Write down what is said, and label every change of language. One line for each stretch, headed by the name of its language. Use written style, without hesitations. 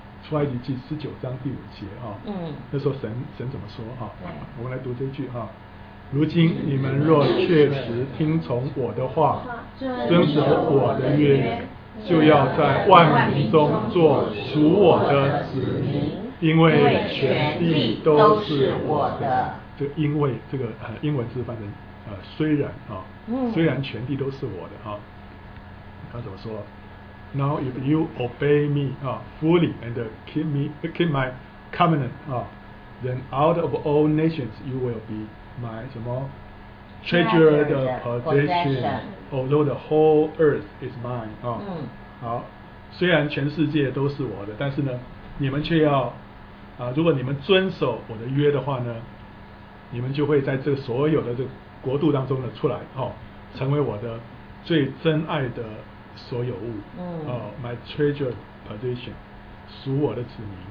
Chinese: 出埃及记十九章第五节哈，那时候神怎么说哈，我们来读这句哈，如今你们若确实听从我的话，遵守我的约，就要在万民中做属我的子民，因为全地都是我的。就因为这个英文字翻成虽然哈，虽然全地都是我的哈，他怎么说？
English: Now if you obey me fully and keep my covenant, then out of all nations you will be my
Chinese: 什么
English: treasured possession, although the whole earth is mine.
Chinese: 好，虽然全世界都是我的，但是呢，你们却要如果你们遵守我的约的话呢，你们就会在这所有的这国度当中呢出来成为我的最珍爱的所有物，
English: my treasured possession，
Chinese: 属我的子民。